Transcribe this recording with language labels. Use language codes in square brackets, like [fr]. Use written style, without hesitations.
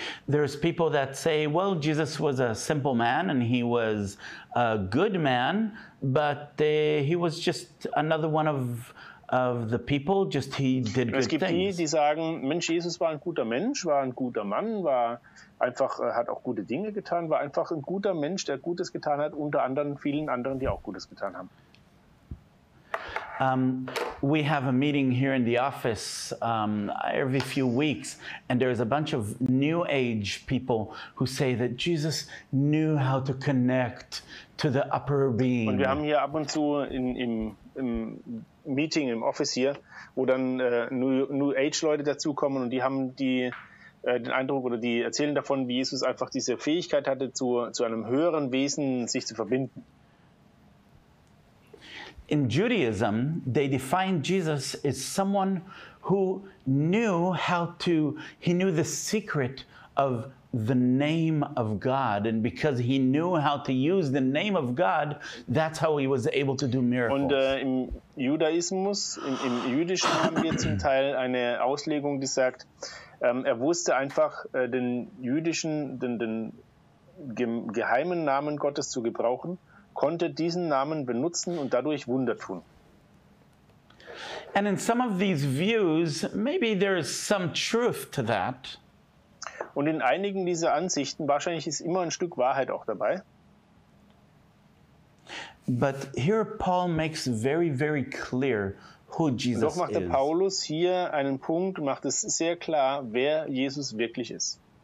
[en] There's people that say, well, Jesus was a simple man and he was a good man, but he was just another one of the people, just he did good things. [de] Es gibt die, die sagen, Mensch, Jesus war ein guter Mensch, war ein guter Mann, war einfach, hat auch gute Dinge getan, war einfach ein guter Mensch, der Gutes getan hat, unter anderen vielen anderen, die auch Gutes getan haben. [en] We have a meeting here in the office every few weeks, and there's a bunch of New Age people who say that Jesus knew how to connect to the upper being. [de] Und wir haben hier ab und zu im Meeting im Office hier, wo dann New Age Leute dazukommen und die haben den Eindruck oder die erzählen davon, wie Jesus einfach diese Fähigkeit hatte, zu einem höheren Wesen sich zu verbinden. [en] In Judaism, they define Jesus as someone who knew how to, he knew the secret of the name of God. And because he knew how to use the name of God, that's how he was able to do miracles. [de] Und im Judaismus, im Jüdischen haben wir zum Teil eine Auslegung, die sagt, er wusste einfach den jüdischen, den geheimen Namen Gottes zu gebrauchen, konnte diesen Namen benutzen und dadurch Wunder tun. [en] And in some of these views, maybe there is some truth to that. [de] Und in einigen dieser Ansichten wahrscheinlich ist immer ein Stück Wahrheit auch dabei. [en] But here Paul makes very, very clear who Jesus is. [de] Doch macht der Paulus hier einen Punkt, macht es sehr klar, wer Jesus wirklich ist.